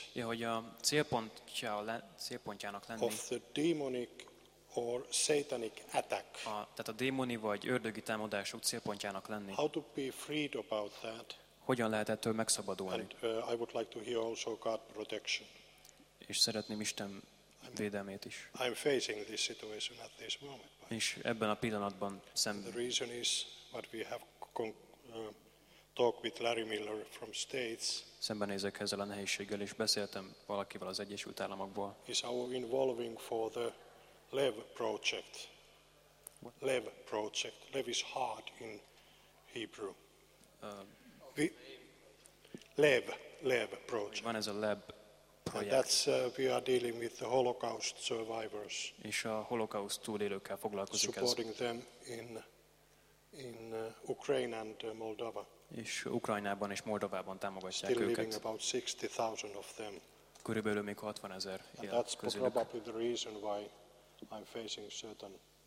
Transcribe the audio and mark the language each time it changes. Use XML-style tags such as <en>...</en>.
<hu>ja, hogy a célpontjának lenni,</hu> <en>of the demonic or satanic attack.</en> <hu>A, tehát a démoni vagy ördögi támadások célpontjának lenni.</hu> <en>How to be freed about that?</en> <hu>Hogyan lehet ettől megszabadulni?</hu> <en>And I would like to hear also God protection.</en> <hu>És szeretném Isten védelmét is.</hu> <en>I'm facing this situation at this moment.</en> <hu>És ebben a pillanatban szemben.</hu> <en>The reason is what we have talked with Larry Miller from States.</en> <hu>Szembenézek ezzel a nehézséggel, és beszéltem valakivel az Egyesült Államokból.</hu> <en>Is our involving for the Lev project. Lev project. Lev is hard in Hebrew. Lev project.</en> <hu>Van ez a Lev project.</hu> <en>And that's we are dealing with the Holocaust survivors.</en> <hu>És a Holocaust túlélőkkel foglalkozik.</hu> <en>Supporting them in Ukraine and Moldova.</en> <hu>És Ukrajnában és Moldovában támogatják</hu> <en>still</en> <hu>őket.</hu> <en>Still living about 60,000 of them.</en> <hu>Körülbelül még 60,000 él közülük.</hu> <en>That's probably the reason why I'm facing certain.</en>